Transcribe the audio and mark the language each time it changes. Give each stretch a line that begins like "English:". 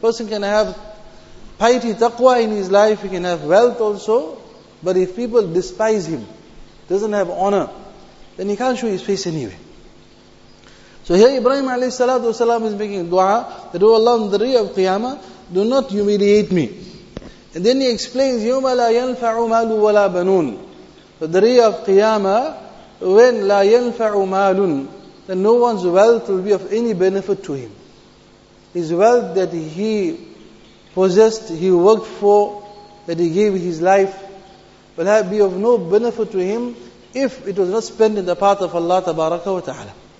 English: Person can have piety, taqwa in his life, he can have wealth also. But if people despise him, doesn't have honor, then he can't show his face anyway. So here Ibrahim alayhi salatu wasalam is making dua that, O Allah, on the day of Qiyamah, do not humiliate me. And then he explains,
Arabic: يَوْمَ لَا يَنْفَعُ مَالُ وَلَا بَنُونَ.
English: The day of Qiyamah, when
Arabic: لَا يَنْفَعُ مَالٌ,
English: then no one's wealth will be of any benefit to him. His wealth that he possessed, he worked for, that he gave his life, will be of no benefit to him if it was not spent in the path of Allah tabaraka wa ta'ala.